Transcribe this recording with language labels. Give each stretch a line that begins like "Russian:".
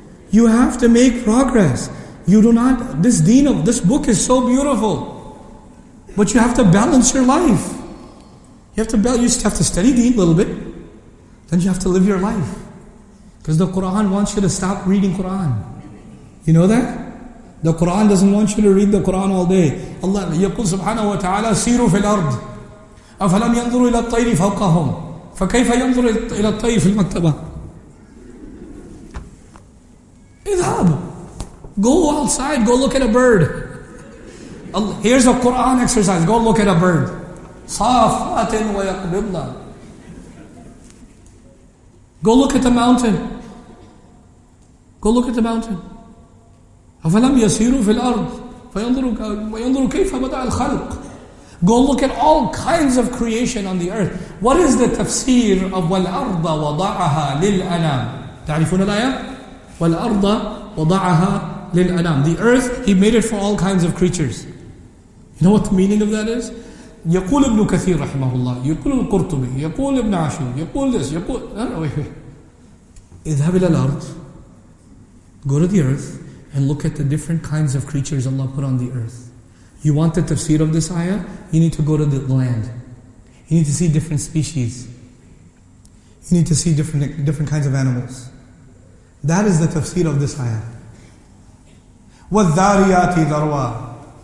English: You have to make progress. You do not, this deen of, this book is so beautiful. But you have to balance your life. You have to study deen a little bit. Then you have to live your life. Because the Quran wants you to stop reading Quran. You know that? The Quran doesn't want you to read the Quran all day.
Arabic: Allah يقول سبحانه وتعالى سيروا في الأرض أفلم ينظروا إلى الطير فوقهم فكيف ينظر إلى الطير في المكتبة. اذهب.
English: Go outside, go look at a bird. Here's a Quran exercise, go look at a bird.
Arabic: صافات ويقبضن.
English: Go look at the mountain. Go look at the mountain.
Arabic: أَفَلَمْ يَسِيرُوا فِي الْأَرْضِ فَيَنْظُرُوا كَيْفَ بَدَعَ الْخَلْقِ.
English: Go look at all kinds of creation on the earth. What is the tafsir of
Arabic: وَالْأَرْضَ وَضَعَهَا لِلْأَنَامِ؟ تعرفون الآية؟ وَالْأَرْضَ وَضَعَهَا لِلْأَنَامِ.
English: The earth, he made it for all kinds of creatures. You know what the meaning of that is?
Arabic: يقول ابن كثير رحمه الله يقول القرطبي يقول ابن عاشور يقول this يقول اذهب الى الارض.
English: Go to the earth and look at the different kinds of creatures Allah put on the earth. You want the tafsir of this ayah? You need to go to the land. You need to see different species. You need to see different kinds of animals. That is the tafsir of this ayah.
Arabic: وَالذَّارِيَاتِ ذَرْوَى.